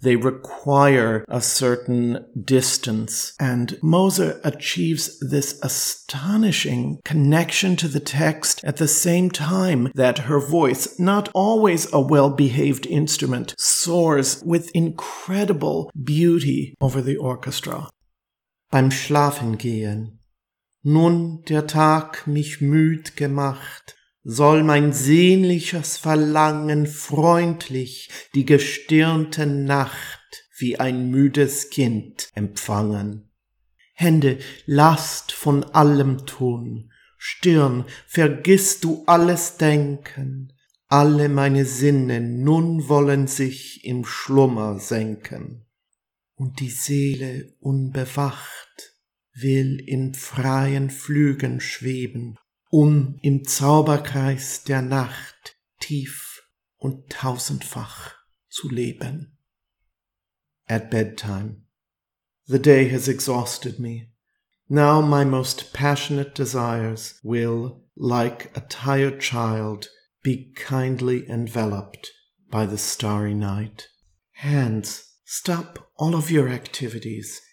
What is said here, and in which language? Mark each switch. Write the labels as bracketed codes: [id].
[en] They require a certain distance, and Moser achieves this astonishing connection to the text at the same time that her voice, not always a well-behaved instrument, soars with incredible beauty over the orchestra. [de] Beim Schlafen gehen. Nun der Tag mich müd gemacht, soll mein sehnliches Verlangen freundlich die gestirnte Nacht wie ein müdes Kind empfangen. Hände, lasst von allem tun, Stirn, vergiss du alles Denken, alle meine Sinne nun wollen sich im Schlummer senken, und die Seele unbewacht will in freien Flügen schweben, um im Zauberkreis der Nacht tief und tausendfach zu leben. [en] At bedtime. The day has exhausted me. Now my most passionate desires will, like a tired child, be kindly enveloped by the starry night. Hands, stop all of your activities.